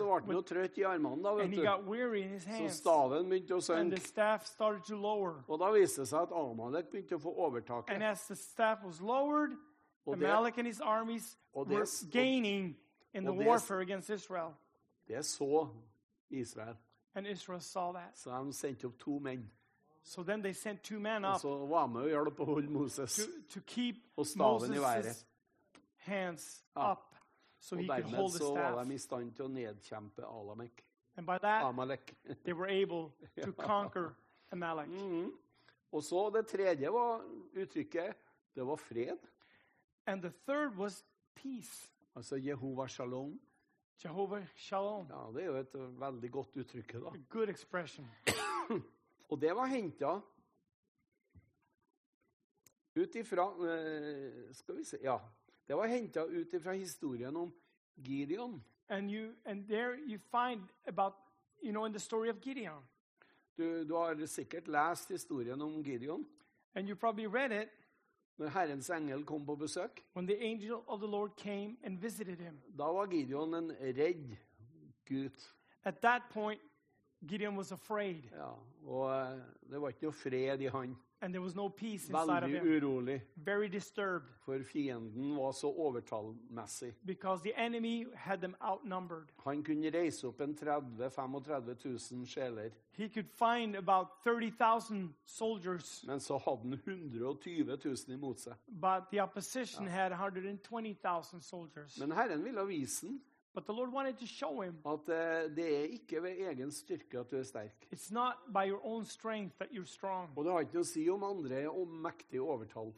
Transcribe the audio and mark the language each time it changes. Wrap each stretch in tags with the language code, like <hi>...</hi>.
<no>Men så ble han jo trøtt i armene da, vet du.</no> <en>And he got weary in his hands.</en> <no>Så staven begynte å synke.</no> <en>And the staff started to lower.</en> <no>Og da viste seg at Amalek begynte å få overtaket.</no> <en>And as the staff was lowered, Amalek and his armies were gaining in the warfare against Israel.</en> <no>Det så Israel.</no> <en>And Israel saw that.</en> <no>Så de sendte opp to menn.</no> <en>So then they sent two men up.</en> <no>Og så var med og hjelpe å holde Moses.</no> <en>To keep Moses' hands up. So he could hold the staff.</en> <no>Og dermed så var de i stand til å nedkjempe Amalek.</no> <en>And by that, they were able to conquer Amalek. Mm-hmm.</en> <no>Og så det tredje var uttrykket, det var fred.</no> <en>And the third was peace.</en> <no>Altså Jehova Shalom.</no> <en>Jehovah Shalom.</en> <no>Ja, det jo et veldig godt uttrykk da.</no> <en>A good expression.</en> <no>Og det var hentet ut ifra skal vi se, ja. Det var hentet ut ifra historien om Gideon.</no> <en>And there you find about, you know, in the story of Gideon.</en> <no>Du har sikkert lest historien om Gideon.</no> <en>And you probably read it.</en> <no>Når Herrens engel kom på besøk.</no> <en>When the angel of the Lord came and visited him.</en> <no>Da var Gideon en redd gutt.</no> <en>At that point, Gideon was afraid.</en> <no>Ja, og det var ikke noe fred I han.</no> <en>And there was no peace inside</en> <no>Veldig</no> <en>of him.</en> <no>Urolig.</no> <en>Very disturbed.</en> <no>For fienden var så overtallmessig.</no> <en>Because the enemy had them outnumbered.</en> <no>Han kunne reise opp en 35,000 sjeler.</no> <en>He could find about 30,000 soldiers.</en> <no>Men så hadde han 120,000 imot seg.</no> <en>But the opposition ja. Had 120,000 soldiers.</en> <no>Men Herren ville vise den.</no> <en>But the Lord wanted to show him</en> <no>at det ikke ved egen styrke at du sterk.</no> <en>It's not by your own strength that you're strong.</en> <no>Og det har ikke noe å si om andre mektige overtall.</no>